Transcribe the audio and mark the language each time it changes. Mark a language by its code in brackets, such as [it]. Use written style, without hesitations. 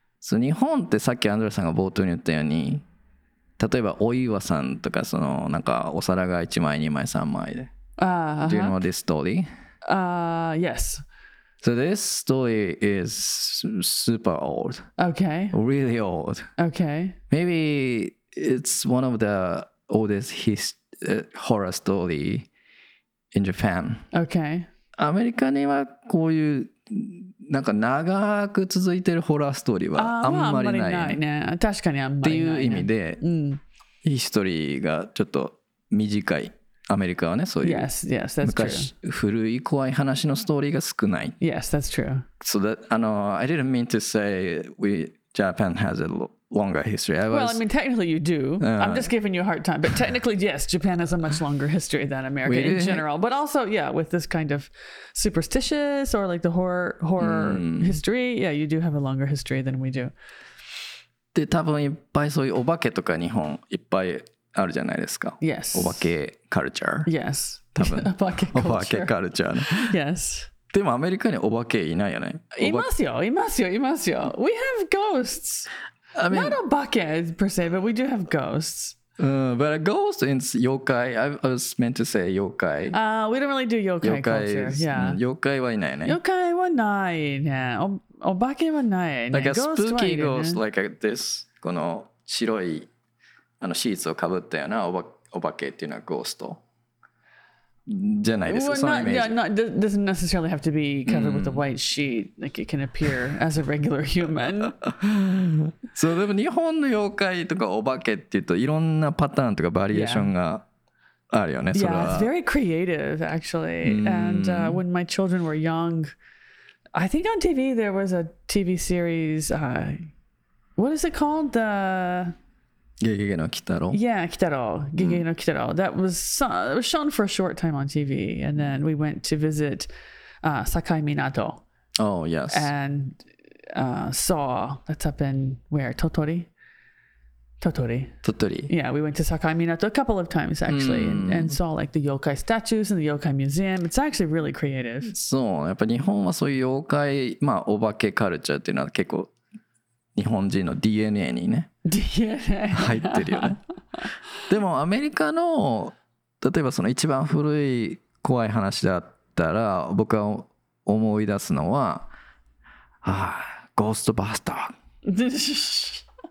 [ja] そう、日本ってさっきアンドレさんが冒頭に言ったように、例えばお岩さんとか、そのなんかお皿が1枚2枚3枚で、 [en] Do you know this story? Yes. So this story is super old. Okay. Really old. Okay. Maybe it's one of the oldest horror story in Japan. Okay. [ja] アメリカにはこういうなんか長く続いてるホラーストーリーはあんまりない、あんまりないね。確かにあんまりないっていう意味で、ヒストリーがちょっと短い。アメリカはね、そういう [en] yes, yes, that's [ja] 昔古い怖い話のストーリーが少ない。 [en] Yes, that's true. So that, I didn't mean to say we, Japan has a longer history. I mean, technically you do. I'm just giving you a hard time. But technically, yes, Japan has a much longer history than America in general. But also, yeah, with this kind of superstitious or like the horror history, yeah, you do have a longer history than we do. [ja] で、多分いっぱいそういうお化けとか日本いっぱいあるじゃないですか。 [en] Yes. [ja] お化けカルチャー。 [en] Yes. [ja] 多分。お化けカルチャー。お化けカルチャーね。 [en] Yes. [ja] でもアメリカにお化けいないよね。いますよ、いますよ、いますよ。 [en] We have ghosts. I mean, not a bucket per se, but we do have ghosts. But a ghost is yokai. I was meant to say yokai. We don't really do yokai, yokai culture. Yeah. [ja] Yokai はいないね。 Yokai はないね。お化けはないね。 [en] Like a spooky ghost, like this. [ja] この白いあのシーツをかぶったようなお化けっていうのはゴーストじゃないですか、 [en] well, [ja] そのイメージ。 [en] Yeah, not, doesn't necessarily have to be covered with a white sheet. Like it can appear as a regular human. [ja] そう、でも日本の妖怪とかお化けっていうといろんなパターンとかバリエーションがあるよね。 [en] Yeah, [ja] それは。 [en] yeah it's very creative actually. And when my children were young, I think on TV there was a TV series. What is it called? The Gegege no Kitaro. Yeah, Kitaro. Gegege no Kitaro. That was, it was shown for a short time on TV. And then we went to visit Sakai Minato. Oh, yes. And saw, that's up in where? Totori. Yeah, we went to Sakai Minato a couple of times actually. And saw like the yokai statues and the yokai museum. It's actually really creative. [ja] So, やっぱ日本はそういう妖怪、まあ、お化けカルチャーっていうのは結構日本人の DNA にね。 [en] DNA [ja] 入ってるよね。でもアメリカの例えばその一番古い怖い話だったら僕は思い出すのは、ゴーストバスター。